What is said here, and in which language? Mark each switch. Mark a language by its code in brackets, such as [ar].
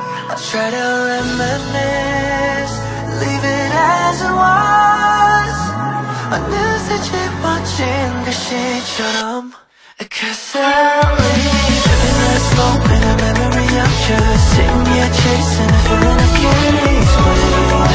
[en] I try to reminisce, leave it as it was. [ko] 어느새 지워진 글씨처럼. [en] Cause I'll leave every last moment a memory. I'm just sitting here chasing a feeling I can't explain.